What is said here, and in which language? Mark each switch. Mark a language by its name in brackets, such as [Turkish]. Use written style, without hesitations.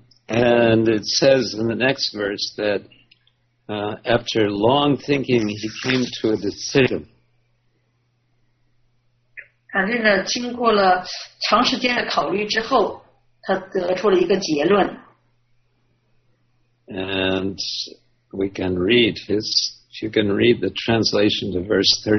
[English] And it says in the next verse that after long thinking, he came to a decision. [Chinese] 经过了长时间的考虑之后，他得出了一个结论。 [English] And we can read his... You can read the translation to verse